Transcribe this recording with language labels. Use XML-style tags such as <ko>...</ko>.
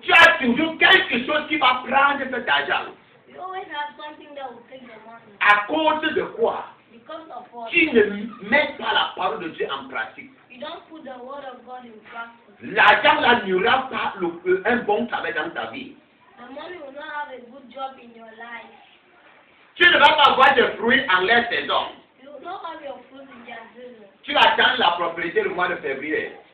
<fr>Tu as toujours quelque chose qui va prendre cet argent.</fr> <en>You always have something that will take the money.</en> <fr>À cause de quoi?</fr> <en>Because of what?</en> <fr>Tu ne mets pas la parole de Dieu en pratique.</fr> <en>You don't put the word of God in practice.</en> <fr>L'argent là n'aura pas un bon travail dans ta vie.</fr> <en>The money will not have a good job in your life.</en> <fr>Tu ne vas pas avoir de fruits en l'air des hommes. Tu attends la propriété le mois de février.</fr>